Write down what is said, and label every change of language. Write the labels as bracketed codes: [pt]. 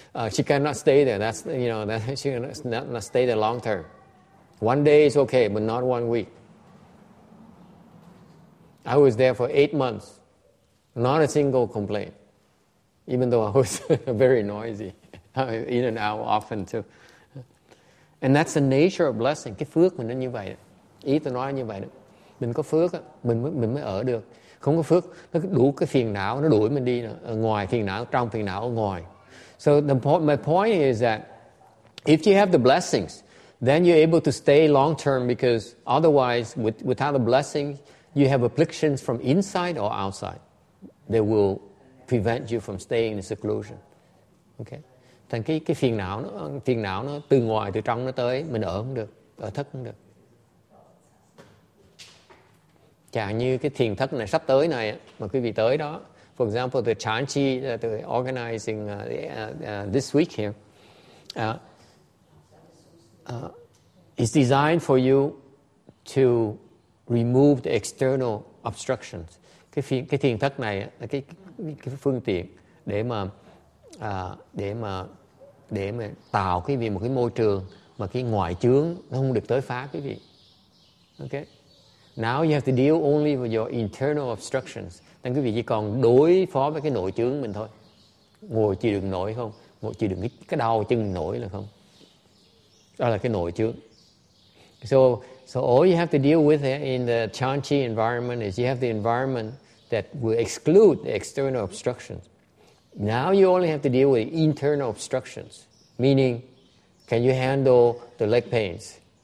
[en] She cannot stay there. She cannot stay there long term. One day is okay, but not 1 week." I was there for 8 months, not a single complaint, even though I was very noisy. In and out often too. And that's the nature of blessing. [vi] Cái phước mình nó như vậy. Ý tôi nói như vậy. Mình có phước, mình mới ở được. Không có phước, nó đủ cái phiền não, nó đuổi mình đi. Ngoài phiền não, trong phiền não, ngoài. [en] So my point is that if you have the blessings, then you're able to stay long term, because otherwise, without the blessing, you have afflictions from inside or outside that will prevent you from staying in seclusion. Okay? [vi] Thành cái phiền não nó từ ngoài từ trong nó tới, mình ở không được, ở thất không được. Chẳng như cái thiền thất này sắp tới này mà quý vị tới đó, [en] for example the Chan Chi that we're organizing this week here is designed for you to remove the external obstructions. [vi] Cái thiền thất này là cái phương tiện để mà tạo cái gì một cái môi trường mà cái ngoại chướng nó không được tới phá cái gì. Okay. [en] Now you have to deal only with your internal obstructions. [vi] Thành quý vị chỉ còn đối phó với cái nội chướng mình thôi. Ngồi chịu đựng nổi không? Ngồi chịu đựng cái đau chân nổi là không? Đó là cái nội chướng. [en] So all you have to deal with in the Chan Chi environment is you have the environment that will exclude the external obstructions. Now you only have to deal with internal obstructions, meaning, can you handle the leg pains?